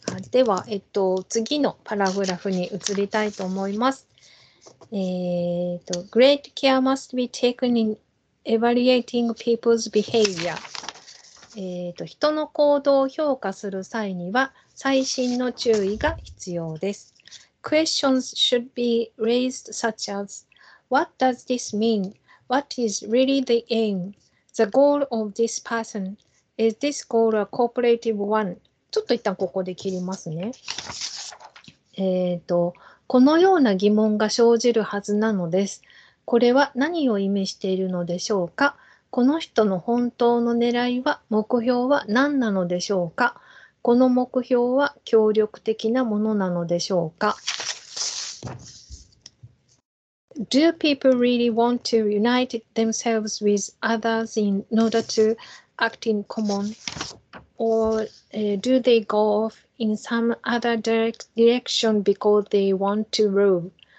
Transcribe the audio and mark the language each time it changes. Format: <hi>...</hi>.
<ja>では、次のパラグラフに移りたいと思います。</ja> <en>Great care must be taken in evaluating people's behavior.</en> <ja>人の行動を評価する際には、細心の注意が必要です。</ja> <en>Questions should be raised such as, What does this mean? What is really the aim? The goal of this person? Is this goal a cooperative one?</en> <ja>ちょっと一旦ここで切りますね。このような疑問が生じるはずなのです。これは何を意味しているのでしょうか？この人の本当の狙いは、目標は何なのでしょうか？この目標は協力的なものなのでしょうか？</ja> <en>Do people really want to unite themselves with others in order to act in common? Or do they go off in some other direction because they want to rule?</en>